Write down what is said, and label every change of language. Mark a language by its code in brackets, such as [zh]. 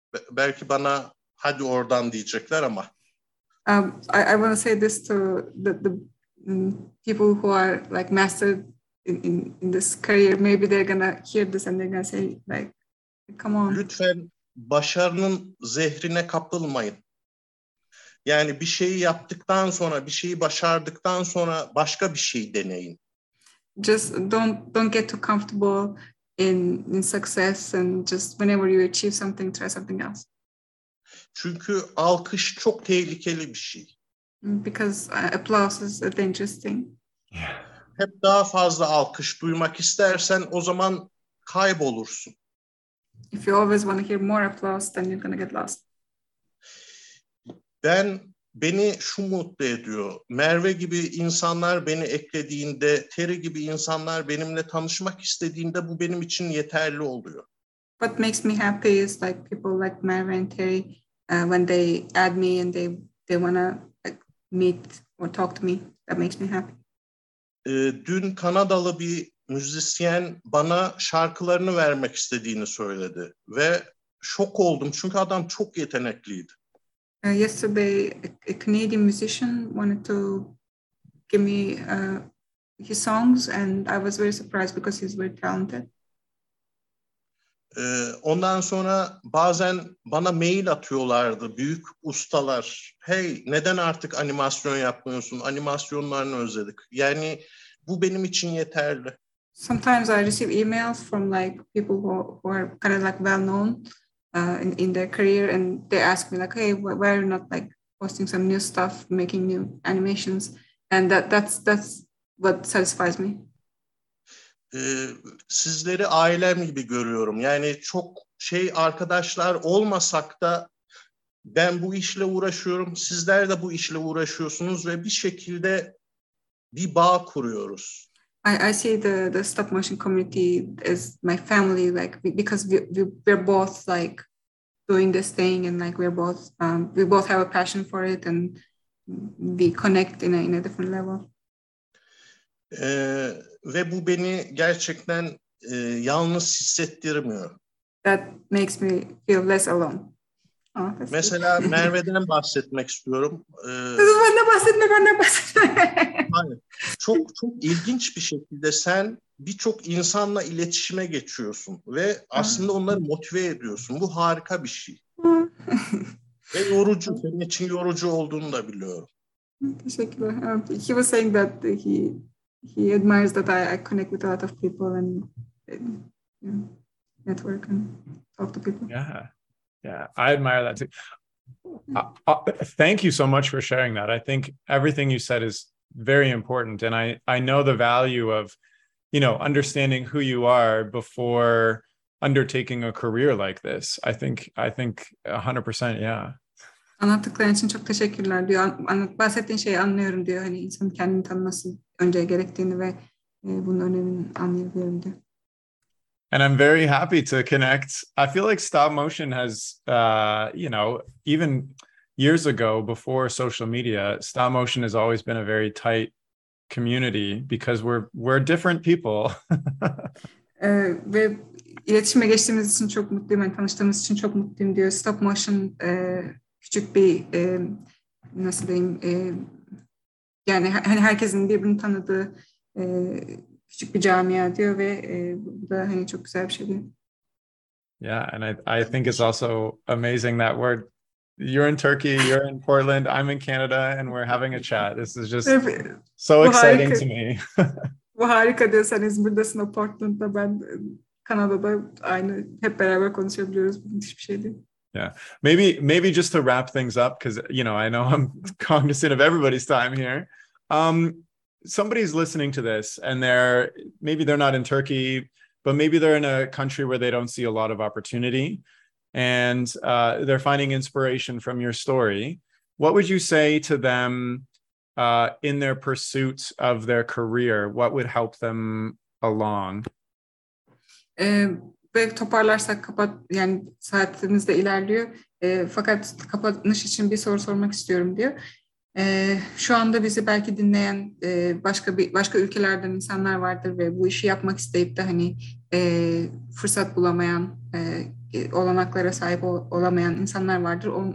[tr] Belki bana hadi oradan diyecekler ama. [en] I want to say this to the people who are like mastered in this career. Maybe they're gonna hear this and they're gonna say like, come on. [tr] Lütfen başarının zehrine kapılmayın. Yani bir şeyi yaptıktan sonra, bir şeyi başardıktan sonra başka bir şey deneyin. [en] Just don't get too comfortable in success and just whenever you achieve something, try something else. [tr] Çünkü alkış çok tehlikeli bir şey. [en] Because applause is a dangerous thing. [tr] Hep daha fazla alkış duymak istersen o zaman kaybolursun. [en] If you always want to hear more applause, then you're going to get lost. [tr] Beni şu mutlu ediyor. Merve gibi insanlar beni eklediğinde, Terry gibi insanlar benimle tanışmak istediğinde bu benim için yeterli oluyor. [en] What makes me happy is like people like Merve and Terry when they add me and they wanna like meet or talk to me. That makes me happy. [tr] Dün Kanadalı bir müzisyen bana şarkılarını vermek istediğini söyledi ve şok oldum çünkü adam çok yetenekliydi. [en] Yesterday, a Canadian musician wanted to give me his songs, and I was very surprised because he's very talented. [tr] Ondan sonra bazen bana mail atıyorlardı büyük ustalar. Hey, neden artık animasyon yapmıyorsun? Animasyonlarını özledik. Yani bu benim için yeterli. [en] Sometimes I receive emails from like people who are kind of like well known. In their career, and they ask me like, "Hey, why are you not like posting some new stuff, making new animations?" And that's what satisfies me. [tr] Sizleri ailem gibi görüyorum. Yani çok şey arkadaşlar olmasak da ben bu işle uğraşıyorum. Sizler de bu işle uğraşıyorsunuz ve bir şekilde bir bağ kuruyoruz. [en] I see the stop motion community as my family, like because we're both like doing this thing and like we both have a passion for it and we connect in a different level. [tr] Ve bu beni gerçekten yalnız hissettirmiyor. [en] That makes me feel less alone. [tr] Oh, mesela Merve'den bahsetmek istiyorum. Ben de bahsetme. Çok ilginç bir şekilde sen birçok insanla iletişime geçiyorsun ve aslında onları motive ediyorsun. Bu harika bir şey. Ve yorucu, senin için yorucu olduğunu da biliyorum. Teşekkürler. [en] He was saying that he admires that I connect with a lot of people and network and talk to people. Yeah. Yeah, I admire that too. Thank you so much for sharing that. I think everything you said is very important. And I know the value of, you know, understanding who you are before undertaking a career like this. I think 100%, yeah. [tr] Anlattıkların için çok teşekkürler diyor. Bahsettiğin şeyi anlıyorum diyor. Hani insanın kendini tanıması önce gerektiğini ve bunun önemini anlayabiliyorum diyor. [en] And I'm very happy to connect. I feel like stop motion has, you know, even years ago before social media, stop motion has always been a very tight community because we're different people. [tr] Ve iletişime geçtiğimiz için çok mutluyum. Yani tanıştığımız için çok mutluyum diyor. Stop motion küçük bir nasıl diyeyim? Yani hani herkesin birbirini tanıdığı. Küçük bir camia diyor ve bu da hani çok güzel bir şey diyor. [en] Yeah, and I think it's also amazing that we're, you're in Turkey, you're in Portland, I'm in Canada and we're having a chat. This is just so exciting to me. [tr] Bu harika diyor, sen İzmir'desin, o Portland'da, ben Kanada'da, aynı, hep beraber konuşabiliyoruz, bu müthiş bir şey değil. [en] Yeah, maybe just to wrap things up, because, you know, I know I'm cognizant of everybody's time here. Somebody's listening to this and maybe they're not in Turkey, but maybe they're in a country where they don't see a lot of opportunity and they're finding inspiration from your story. What would you say to them in their pursuit of their career? What would help them along? [tr] Toparlarsak kapat, yani saatimiz de ilerliyor. Fakat kapanış için bir soru sormak istiyorum diyor. Şu anda bizi belki dinleyen başka ülkelerden insanlar vardır ve bu işi yapmak isteyip de hani fırsat bulamayan, olanaklara sahip olamayan insanlar vardır.